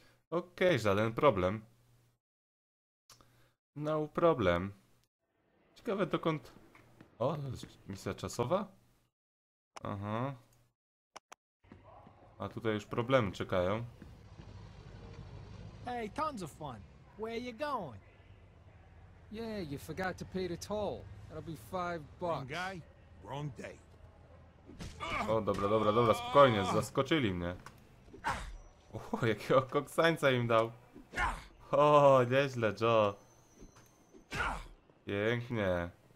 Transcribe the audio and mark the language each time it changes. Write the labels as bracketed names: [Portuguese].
[Polish] Okej, żaden problem. [English] No problem. [Polish] Ciekawe dokąd... O, misja czasowa? Aha. A tutaj już problemy czekają. [English] Hey, tons of fun. Where you going? Yeah, you forgot to pay the toll. That'll be $5. Wrong guy, wrong day. [Polish] O, dobra, dobra, dobra, spokojnie, zaskoczyli mnie. O, jakiego koksańca im dał. O, nieźle, Joe. Pięknie.